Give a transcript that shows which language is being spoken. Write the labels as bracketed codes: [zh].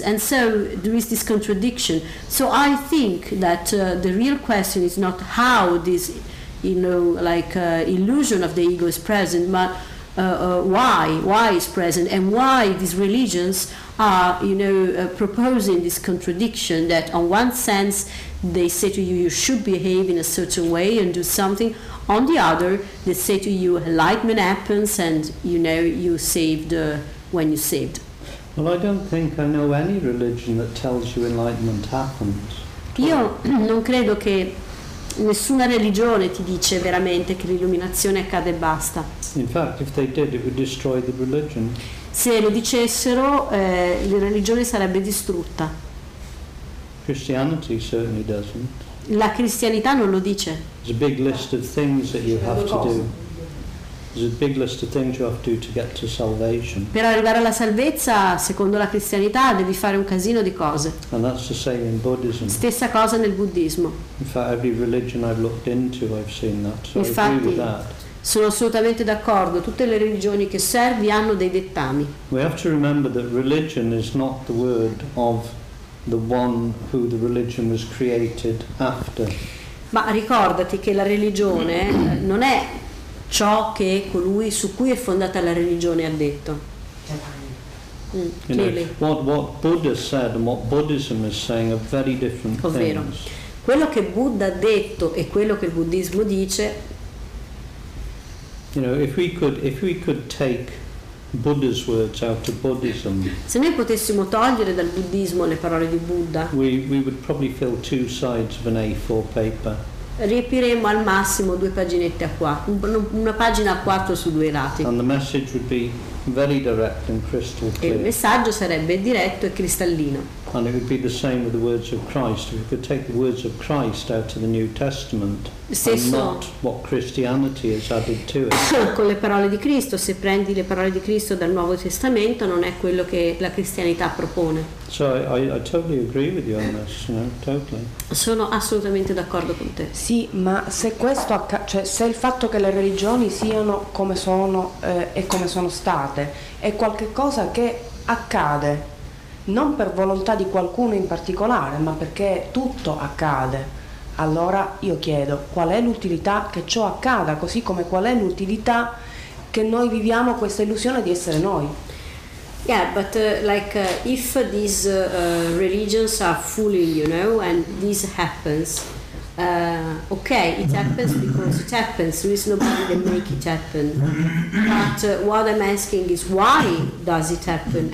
[en] And so there is this contradiction. So I think that the real question is not how this, you know, like illusion of the ego is present, but why is present, and why these religions are, you know, proposing this contradiction that on one sense they say to you, you should behave in a certain way and do something, on the other they say to you, enlightenment happens and, you know, you saved when you saved. Well, I don't think I know any religion that tells you enlightenment happens. [it] Io non credo che nessuna religione ti dice veramente che l'illuminazione accade e basta. [en] In fact, if they did, it would destroy the religion. [it] Se lo dicessero, la religione sarebbe distrutta. [en] Christianity certainly doesn't. [it] La cristianità non lo dice. [en] There's a big list of things that you have to do. There's a big list of things you have to do to get to salvation. [it] Per arrivare alla salvezza, secondo la cristianità, devi fare un casino di cose. [en] And that's the same in Buddhism. [it] Stessa cosa nel buddismo. [en] In fact, every religion I've looked into, I've seen that. So [it] infatti, [en] I agree with that. [it] Sono assolutamente d'accordo. Tutte le religioni che servi hanno dei dettami. [en] We have to remember that religion is not the word of the one who the religion was created after. [it] Ma ricordati che la religione non è ciò che colui su cui è fondata la religione ha detto. [en] What Buddha said and what Buddhism is saying are very different things. [it] Ovvero, quello che Buddha ha detto e quello che il buddismo dice. [en] You know, if we could take Buddha's words out of Buddhism. [it] Se noi potessimo togliere dal buddismo le parole di Buddha. [en] We would probably fill two sides of an A4 paper. [it] Riempiremo al massimo due paginette a qua, una pagina a quattro su due lati. [en] And the message would be very direct and crystal clear. [it] E il messaggio sarebbe diretto e cristallino. [en] And it would be the same with the words of Christ. If we could take the words of Christ out of the New Testament, [it] stesso, [en] and not what Christianity has added to it. [it] Con le parole di Cristo, se prendi le parole di Cristo dal Nuovo Testamento, non è quello che la cristianità propone. [en] So I totally agree with you on this, you know, totally. [it] Sono assolutamente d'accordo con te. Sì, ma se questo cioè se il fatto che le religioni siano come sono e come sono state è qualcosa che accade. Non per volontà di qualcuno in particolare, ma perché tutto accade. Allora io chiedo, qual è l'utilità che ciò accada, così come qual è l'utilità che noi viviamo questa illusione di essere noi? [en] Yeah, but like if these religions are fooling, you know, and this happens, okay, it happens because it happens. There is nobody that make it happen. But what I'm asking is why does it happen?